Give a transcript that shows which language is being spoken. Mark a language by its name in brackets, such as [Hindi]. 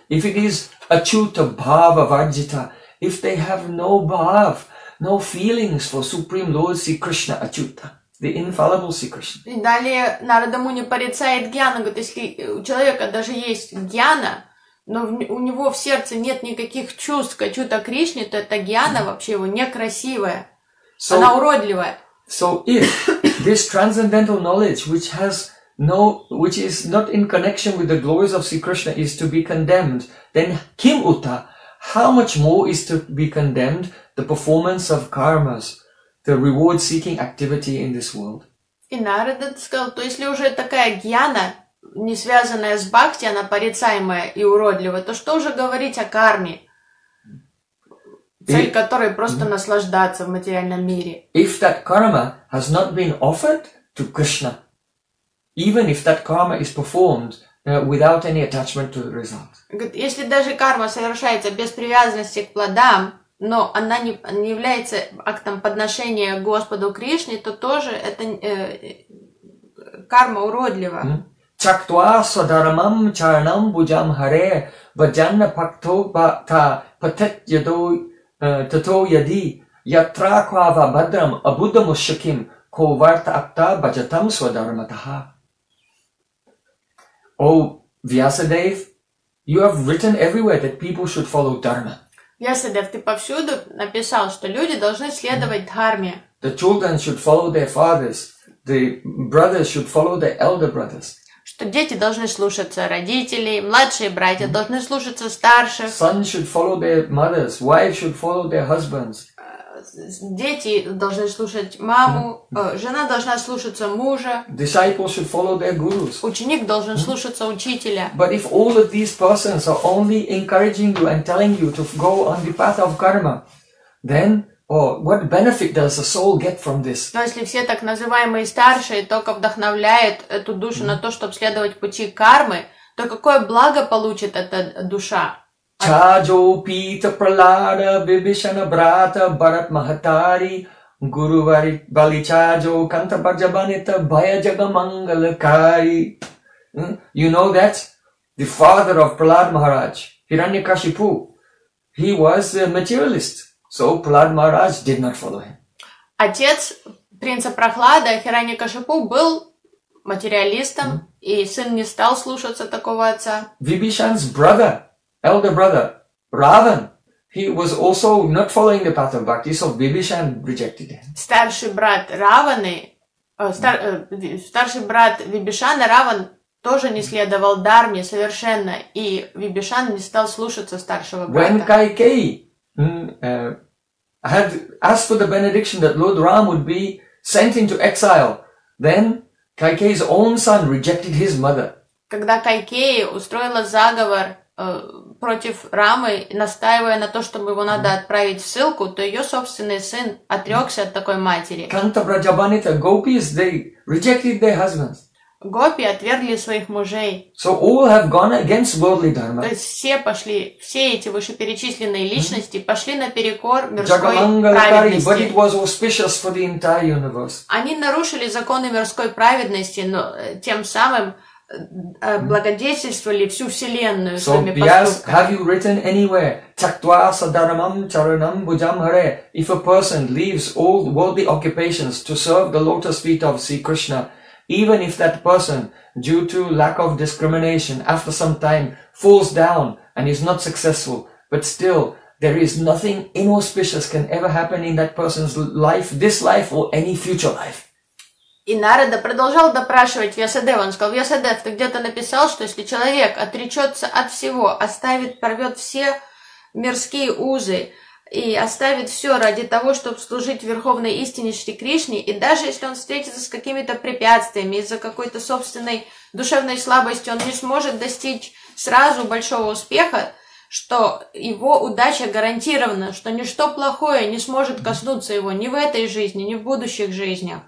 [English] If it is achuta bhava vajjita, if they have no bhav, no feelings for Supreme Lord Sri Krishna achuta, the infallible Sri Krishna. [Russian] И далее Нарада Муни порицает гьяну, говорит, если у человека даже есть гьяна, но у него в сердце нет никаких чувств к ачута Кришне, то эта гьяна вообще его некрасивая. Она уродливая. [English] So if this transcendental knowledge, which has no, which is not in connection with the glories of Sri Krishna, is to be condemned, then kim uta, how much more is to be condemned the performance of karmas, the reward-seeking activity in this world? [Russian] И Нарада сказал, то если уже такая гьяна, не связанная с бхакти, она порицаемая и уродливая, то что уже говорить о карме? Цель которой просто наслаждаться в материальном мире. [English] If that karma has not been offered to Krishna, even if that karma is performed without any attachment to the result. [Russian] Если даже карма совершается без привязанности к плодам, но она не является актом подношения Господу Кришне, то тоже это карма уродлива. [Sanskrit] Чактва свадарамам чарнам буджам харе ваджанна пакто бакта патет яду тато яди ятра квава бадрам абудаму шаким ко варта акта баджатам свадарматаха. [English] О, Вьясадев, you have written everywhere that people should follow dharma. [Russian] Вьясадев, ты повсюду написал, что люди должны следовать дхарме. [English] The children should follow their fathers. The brothers should follow their elder brothers. [Russian] Что дети должны слушаться родителей, младшие братья mm-hmm. должны слушаться старших. [English] Sons should follow their mothers, wives should follow their husbands. [Russian] Дети должны слушать маму, жена должна слушаться мужа. [English] Disciples should follow their gurus. [Russian] Ученик должен mm-hmm. слушаться учителя. [English] But if all of these persons are only encouraging you and telling you to go on the path of karma, then what benefit does a soul get from this? [Russian] Но если все так называемые старшие только вдохновляют эту душу mm-hmm. на то, чтобы следовать пути кармы, то какое благо получит эта душа? [Sanskrit] Чаджо пита пралада бибишана брата барат махатари гуру вари бали чаджо канта барджабанита бая джага мангалакари. [English] You know that? The father of Prahlad Maharaj, Hiranyakashipu, he was a materialist. So Prahlad Maharaj did not follow him. [Russian] Отец принца Прохлада, Хираньякашипу, был материалистом, и сын не стал слушаться такого отца. [English] Vibhishan's brother, elder brother, Ravan, he was also not following the path of bhakti, so Vibhishan rejected him. [Russian] Старший брат Вибишана, Раван, тоже не следовал дарме совершенно, и Вибишан не стал слушаться старшего брата. [English] When Kaikeyi had asked for the benediction that Lord Ram would be sent into exile, then Kaikeyi's own son rejected his mother. [Russian] Когда Кайкеи устроила заговор против Рамы, настаивая на то, чтобы его надо отправить в ссылку, то ее собственный сын отрекся от такой матери. [Sanskrit] Канта Браджабанита, [English] gopis, they rejected their husbands. [Russian] Гопи отвергли своих мужей. [English] So all have gone against worldly dharma. [Russian] То есть все пошли, все эти вышеперечисленные личности mm-hmm. пошли наперекор мирской праведности. [English] But it was auspicious for the entire universe. [Russian] Они нарушили законы мирской праведности, но тем самым благодетельствовали всю вселенную [English] so, [Russian] своими [English] Vyas, [Russian] поступками. [English] Have you written anywhere, [Sanskrit] чактва садарамам чаранам буджам харе, [English] if a person leaves all worldly occupations to serve the lotus feet of Sri Krishna, even if that person, due to lack of discrimination, after some time falls down and is not successful, but still, there is nothing inauspicious can ever happen in that person's life, this life or any future life. [Russian] И Нарада продолжал допрашивать Вьясадева. Он сказал: Вьясадев, ты где-то написал, что если человек отречется от всего, оставит, порвет все мирские узы и оставит все ради того, чтобы служить Верховной Истине Шри Кришне, и даже если он встретится с какими-то препятствиями из-за какой-то собственной душевной слабости, он не сможет достичь сразу большого успеха, что его удача гарантирована, что ничто плохое не сможет коснуться его ни в этой жизни, ни в будущих жизнях.